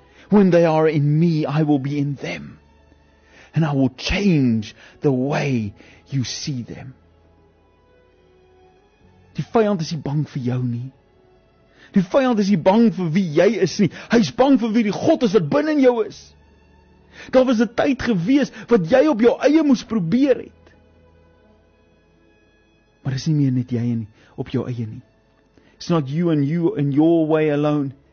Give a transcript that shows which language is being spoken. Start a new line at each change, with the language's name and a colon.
English: When they are in me, I will be in them. And I will change the way you see them.
Afrikaans: Die vyand is nie bang vir jou nie. Die vyand is nie bang vir wie jy is nie. Hy is bang vir wie die God is wat binne in jou is. Daar was 'n tyd gewees wat jy op jou eie moes probeer het. Maar is nie meer net jy en op jou eie nie.
English: It's not you and you in your way alone.